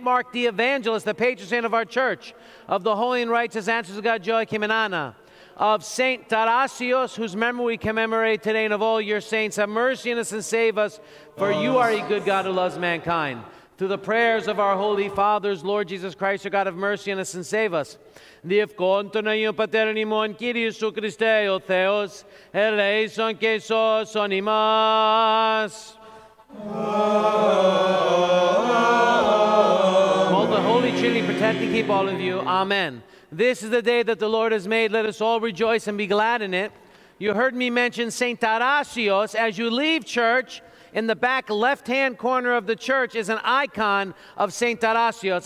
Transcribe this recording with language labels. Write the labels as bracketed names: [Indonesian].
[English] Mark the Evangelist, the patron saint of our church, of the holy and righteous ancestors of God, Joachim and Anna, of St. Tarasios, whose memory we commemorate today, and of all your saints, have mercy on us and save us, for you are a good God who loves mankind. Through the prayers of our holy fathers, Lord Jesus Christ, your God, have mercy on us and save us. [Greek] Διευκόντων Αγίων Πατέρων ημών, Κύριε Ιησού Χριστέ, ο Θεός, ελέησον και σώσον ημάς. [English] May the Holy Trinity protect and keep all of you. Amen. This is the day that the Lord has made. Let us all rejoice and be glad in it. You heard me mention St. Tarasios. As you leave church, in the back left-hand corner of the church is an icon of St. Tarasios.